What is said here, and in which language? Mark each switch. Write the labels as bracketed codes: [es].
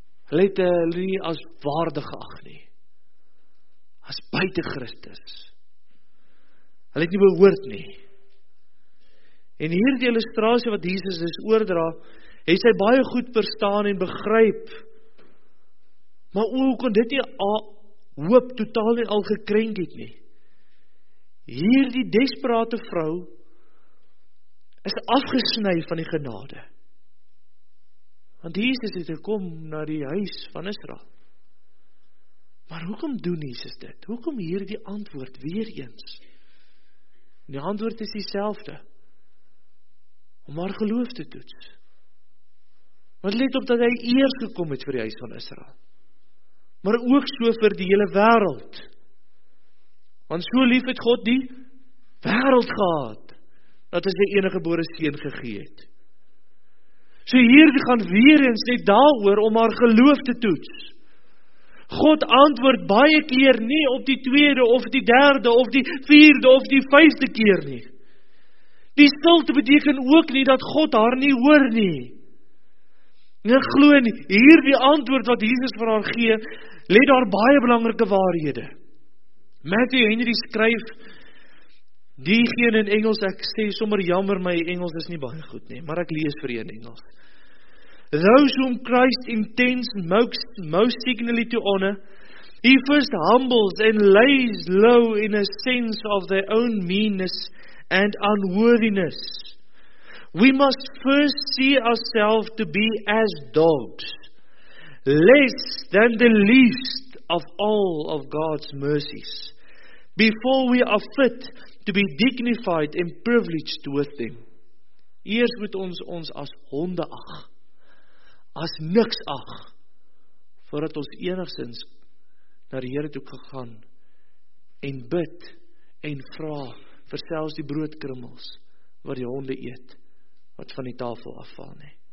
[af] Hulle het hulle nie as waardig geag nie, as buite Christus. Hulle het nie behoort nie. En hier die illustrasie wat Jesus is oordra, het sy baie goed verstaan en begryp. Maar hoe kon dit nie hoop totaal en al gekrenk het nie? Hier die desperate vrou is afgesny van die genade. Want Jesus het gekom na die huis van Israel. Maar hoekom doen Jesus dit? Hoekom hier die antwoord weer eens? Die antwoord is dieselfde. Om haar geloof te toets. Want let op dat hy eers gekom het vir die huis van Israel. Maar ook so vir die hele wêreld. Want so lief het God die wêreld gehad, dat hy sy eniggebore seun gegee het. So hier gaan weer eens net daaroor om haar geloof te toets. God antwoord baie keer nie op die tweede of die derde of die vierde of die vyfde keer nie. Die stilte beteken ook nie dat God haar nie hoor nie. Nie glo nie, hier die antwoord wat Jesus vir haar gee, lê daar baie belangrike waarhede. Matthew Henry skryf, diegene in Engels, ek sê sommer jammer, my Engels is nie baie goed nie, maar ek lees vir jy in Engels. [en] Those whom Christ intends most signally to honor, he first humbles and lays low in a sense of their own meanness and unworthiness. We must first see ourselves to be as dogs, less than the least of all of God's mercies, before we are fit to be dignified and privileged with them. [af] Eers moet ons as honde ag, as niks ag, voordat ons enigsins na die Here toe gegaan en bid en vra vir selfs die broodkrummels wat die honde eet, wat van die tafel afval nie.